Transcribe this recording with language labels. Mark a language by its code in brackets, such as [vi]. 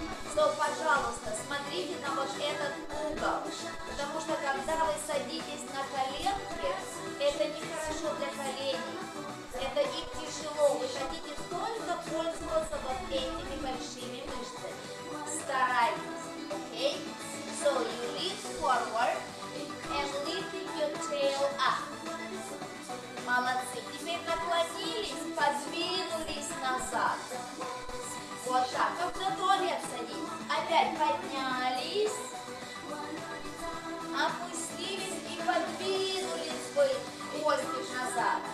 [ru] Стоп, пожалуйста, смотрите на вот этот угол. Потому что когда вы садитесь на коленки, это нехорошо для коленей. Это их тяжело. Вы хотите только пользоваться вот этими большими мышцами. Старайтесь. [en] Okay, so you lean forward and lifting your tail up. [ru] Молодцы. Теперь наклонились, подвинулись назад. Вот так, как на туалет садим. Опять поднялись, опустились и подвинули свой хвостик назад.